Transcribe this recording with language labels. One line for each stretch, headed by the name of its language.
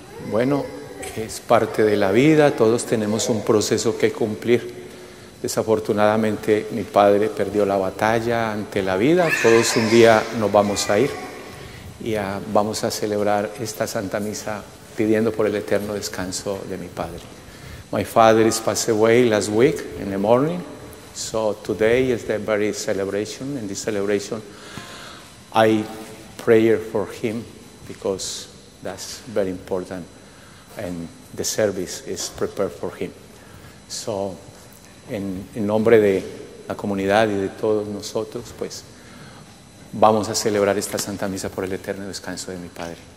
Spanish: Bueno, es parte de la vida, todos tenemos un proceso que cumplir. Desafortunadamente mi padre perdió la batalla ante la vida, todos un día nos vamos a ir y vamos a celebrar esta Santa Misa pidiendo por el eterno descanso de mi padre.
English: My father is passed away last week in the morning, so today is the very celebration. In this celebration, I pray for him because that's very important, and the service is prepared for him.
Spanish: So, en nombre de la comunidad y de todos nosotros, pues, vamos a celebrar esta Santa Misa por el eterno descanso de mi padre.